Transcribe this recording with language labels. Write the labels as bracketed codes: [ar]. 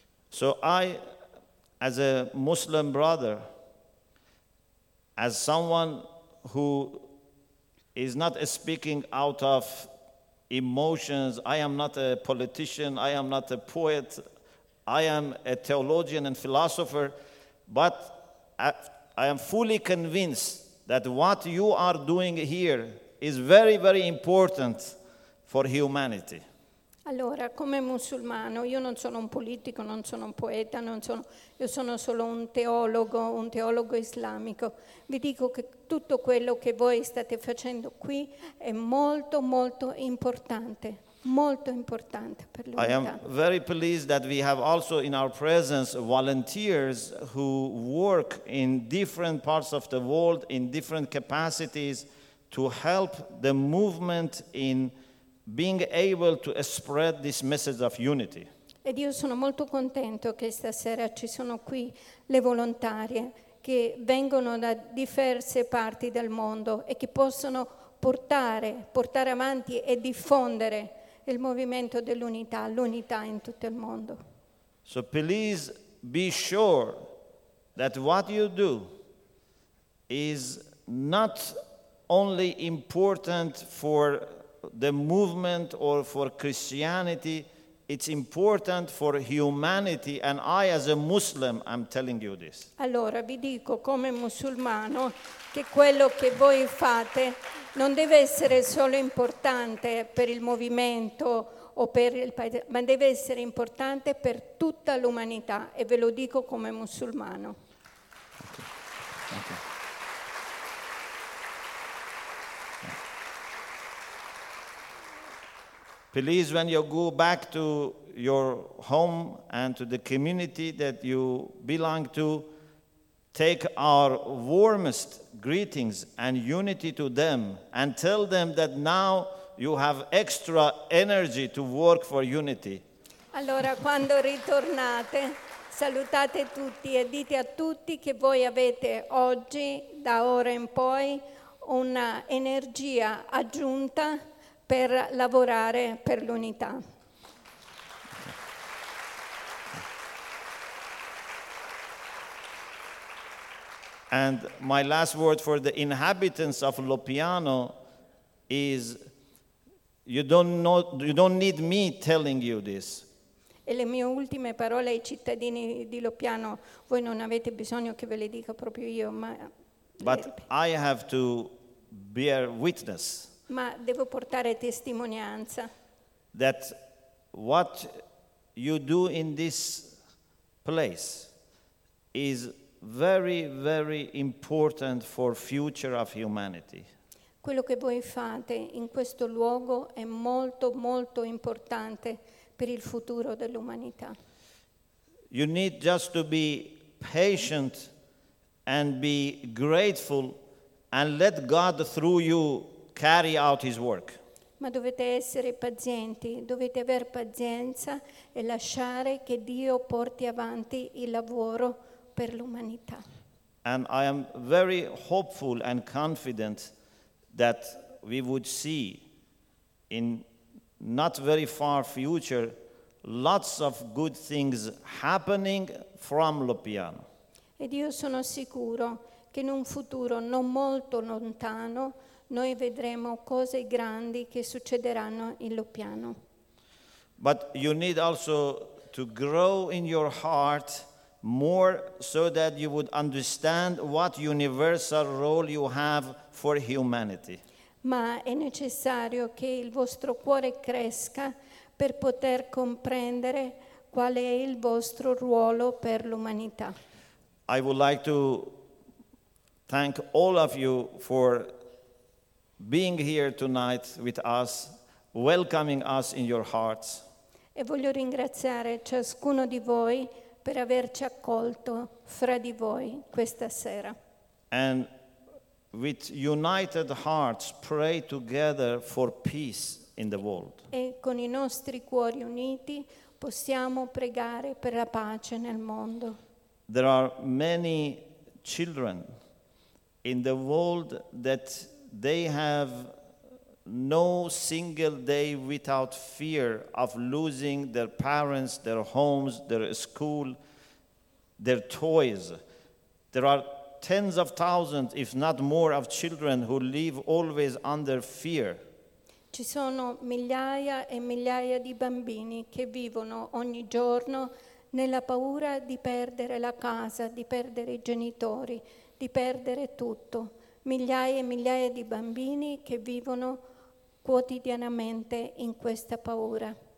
[en] So I as a Muslim brother, as someone who is not speaking out of emotions, I am not a politician, I am not a poet, I am a theologian and philosopher, but I am fully convinced that what you are doing here is very, very important for humanity. [it] Allora, come musulmano, io non sono un politico, non sono un poeta, io sono solo un teologo islamico. Vi dico che tutto quello che voi state facendo qui è molto, molto importante. Molto importante per l'unità. [en] I am very pleased that we have also in our presence volunteers who work in different parts of the world in different capacities to help the movement in being able to spread this message of unity. [it] Ed io sono molto contento che stasera ci sono qui le volontarie che vengono da diverse parti del mondo e che possono portare avanti e diffondere il movimento dell'unità, l'unità in tutto il mondo. [en] So please be sure that what you do is not only important for the movement or for Christianity, it's important for humanity, and I as a Muslim I'm telling you this. [it] Allora vi dico come musulmano che quello che voi fate non deve essere solo importante per il movimento o per il paese, ma deve essere importante per tutta l'umanità, e ve lo dico come musulmano. Okay. [en] Please, when you go back to your home and to the community that you belong to, take our warmest greetings and unity to them and tell them that now you have extra energy to work for unity. [it] Allora, quando ritornate, salutate tutti e dite a tutti che voi avete oggi, da ora in poi, una energia aggiunta per lavorare per l'unità. [en] And my last word for the inhabitants of Lopiano is you don't need me telling you this. [it] E le mie ultime parole ai cittadini di Lopiano, voi non avete bisogno che ve le dica proprio io, ma [en] but I have to bear witness. [it] Ma devo portare testimonianza. [en] That what you do in this place is very, very important for future of humanity. [it] Quello che voi fate in questo luogo è molto, molto importante per il futuro dell'umanità. [en] You need just to be patient and be grateful and let God through you carry out his work. [it] Ma dovete essere pazienti, dovete aver pazienza e lasciare che Dio porti avanti il lavoro per l'umanità. [en] And I am very hopeful and confident that we would see in not very far future lots of good things happening from Lopiano. [it] Ed io sono sicuro che in un futuro non molto lontano noi vedremo cose grandi che succederanno in Lopiano. [en] But you need also to grow in your heart more so that you would understand what universal role you have for humanity. [it] Ma è necessario che il vostro cuore cresca per poter comprendere qual è il vostro ruolo per l'umanità. [en] I would like to thank all of you for being here tonight with us, welcoming us in your hearts. [it] E voglio ringraziare ciascuno di voi per averci accolto fra di voi questa sera. [en] And with united hearts pray together for peace in the world. [it] E con i nostri cuori uniti possiamo pregare per la pace nel mondo. [en] There are many children in the world that they have no single day without fear of losing their parents, their homes, their school, their toys. There are tens of thousands, if not more, of children who live always under fear. [it] Ci sono migliaia e migliaia di bambini che vivono ogni giorno nella paura di perdere la casa, di perdere i genitori, di perdere tutto. Migliaia e migliaia di bambini che vivono quotidianamente in questa paura.